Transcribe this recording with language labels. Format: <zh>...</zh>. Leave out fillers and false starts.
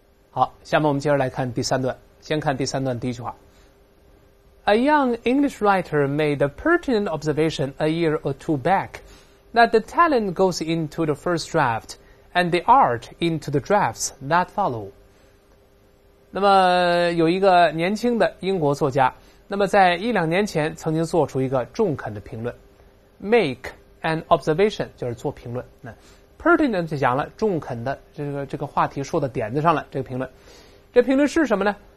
<zh>好，下面我们接着来看第三段。先看第三段第一句话。</zh> <en>A young English writer made a pertinent observation a year or two back that the talent goes into the first draft and the art into the drafts that follow.</en> <zh>那么有一个年轻的英国作家，那么在一两年前曾经做出一个中肯的评论。 Make an observation 就是做评论。那pertinent 就讲了中肯的这个话题说的点子上了，这个评论。这评论是什么呢？</zh>